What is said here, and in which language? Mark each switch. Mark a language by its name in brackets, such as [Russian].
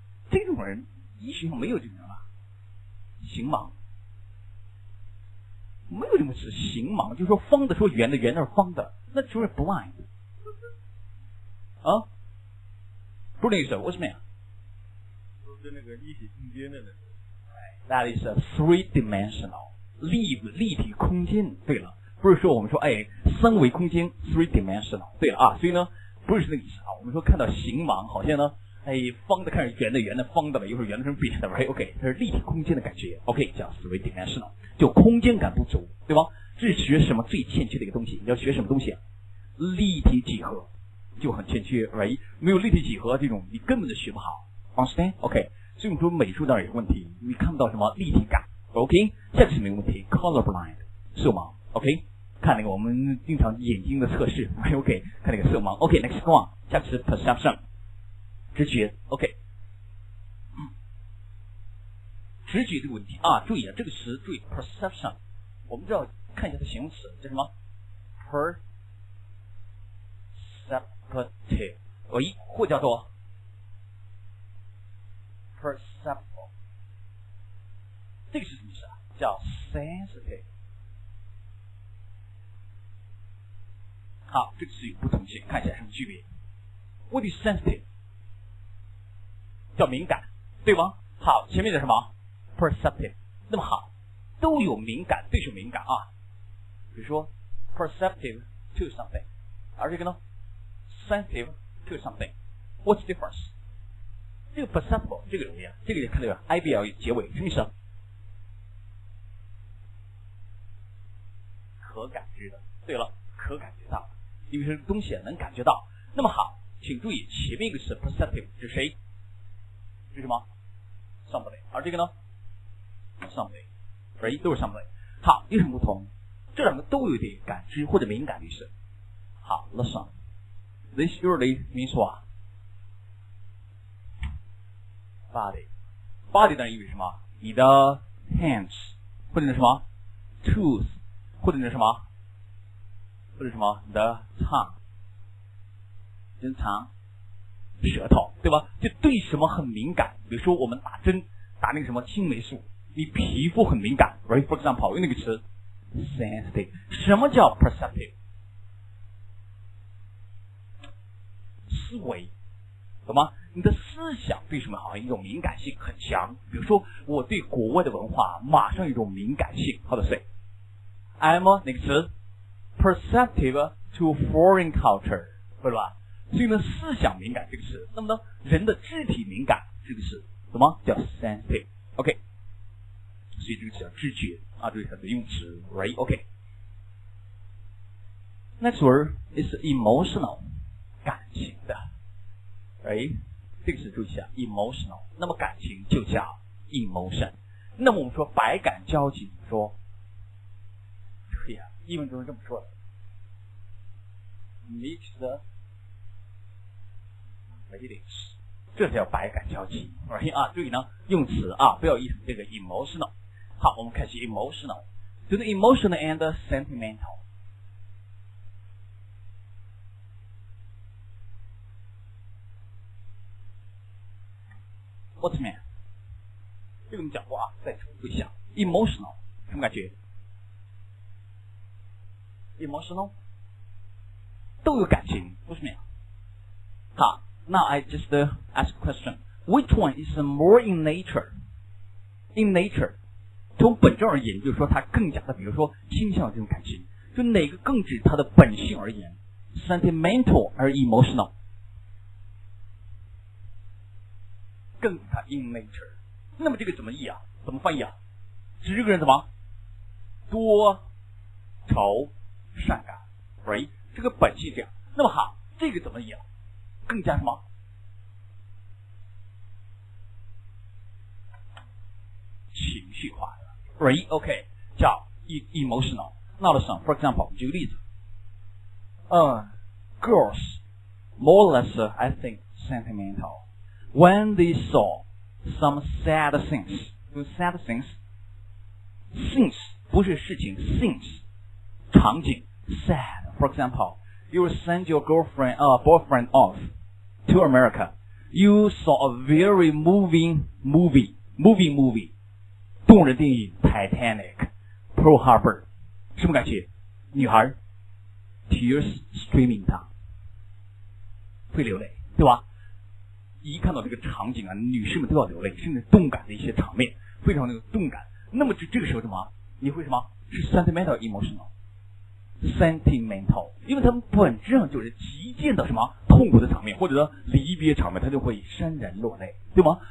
[Chinese] 这种人医学上没有这种人啊，行盲没有这么词，行盲就是说方的说圆的，圆的是方的，那就是 blind 啊，不是那意思，我什么呀？就那个立体空间的那个 [English] That is a three dimensional [Chinese] 立体空间。对了，不是说我们说哎三维空间 [English] three dimensional。 [Chinese] 对了啊，所以呢不是那个意思啊，我们说看到形盲好像呢哎方的看着圆的，圆的方的吧，一会儿圆的成扁的吧， OK， 它是立体空间的感觉， OK， 叫 [English] three dimensional， [Chinese] 就空间感不足，对吧？这是学什么最欠缺的一个东西，你要学什么东西啊？立体几何就很欠缺， [English] right？ [Chinese] 没有立体几何这种你根本就学不好， [English] understand？ [Chinese] OK， 所以我说美术当然有问题，你看不到什么立体感。 OK， 下次没问题。 [English] Color blind， 色盲。 [Chinese] OK， 看那个我们经常眼睛的测试。 OK， 看那个色盲。 [English] OK，next、okay, one， [Chinese] 下次 [English] perception， [Chinese] 直觉。 OK，、直觉这个问题啊，注意啊，这个词注意 perception， 我们知道看一下它形容词叫什么 ，perceptive， 喂，或叫做。 perceptible， 这个是什么意思啊？叫 sensitive。好，这个词有不同性，看一下什么区别。 [English] What is sensitive？ [Chinese] 叫敏感，对吗？好，前面叫什么 ？perceptive。那么好，都有敏感，对手敏感啊。比如说 [English] perceptive to something， [Chinese] 而这个呢 [English] ，sensitive to something。 What's the difference？ [Chinese] 这个 perceptible 这个容易啊，这个也看到 IBL 结尾什么意思？可感知的，对了，可感觉到，因为是东西能感觉到。那么好，请注意前面一个词 perceptive 是谁？是什么 ？somebody， 而这个呢 ？somebody， 都是 somebody。好，有什么不同？这两个都有点感知或者敏感的意思。好 [English] ，listen， this usually means what？ [Chinese] Body 当然意味什么？你的 hands 或者是什么 tooth 或者是什么，或者什么你的 tongue 人肠舌头，对吧？就对什么很敏感，比如说我们打针打那个什么青霉素，你皮肤很敏感， right？ For example 用那个词 sensitive。什么叫 perceptive？思维，懂吗？你的思想对什么好像一种敏感性很强，比如说我对国外的文化马上一种敏感性。 [English] How to say? I'm [Chinese] 哪个词 [English] perceptive to foreign culture， [Chinese] 对吧？所以呢，思想敏感这个词，那么呢，人的肢体敏感这个词，什么叫 sensitive？ OK， 所以这个词叫知觉啊，这是它的用词 ，right？ [English] OK， next word is emotional， [Chinese] 感情的 [English] ，right？ [Chinese] 这个词注意一下 ，emotional。那么感情就叫 emotion。那么我们说百感交集，说，对呀、啊，英文中是这么说的 ，mixed feelings， 这叫百感交集。 Right 啊，注意呢，用词啊，不要译成这个 emotional。好，我们开始 [English] emotional， 就是 emotional and sentimental。 What's mean？ [Chinese] 这个你讲过啊，再重复一下 ，emotional 什么感觉 ？emotional 都有感情 ， [English] What's mean？好 ，Now I just ask a question. Which one is more in nature？ In nature， [Chinese] 从本质而言，就是说它更加的，比如说倾向这种感情，就哪个更指它的本性而言 ，sentimental 而 emotional。更他 [English] in nature， [Chinese] 那么这个怎么译啊？怎么翻译啊？指这个人怎么多愁善感 ，right？这个本性这样。那么好，这个怎么译啊？更加什么？情绪化的 ，right？ OK， 叫 emotional。那的上 ，for example， 我们举个例子。 [English] Girls more or less I think sentimental。 When they saw some sad things， sad things， things [Chinese] 不是事情 things 场景 sad. [English] For example, you send your girlfriend, boyfriend off to America. You saw a very moving movie, [Chinese] 动人电影 [English] Titanic, Pearl Harbor, [Chinese] 什么感觉？女孩 [English] tears streaming down, [Chinese] 会流泪，对吧？一看到这个场景啊，女士们都要流泪，甚至动感的一些场面，非常那个动感。那么就这个时候什么？你会什么？是 sentimental emotional, sentimental, 因为他们本质上就是极尽到什么痛苦的场面，或者离别场面，他就会潸然落泪，对吗？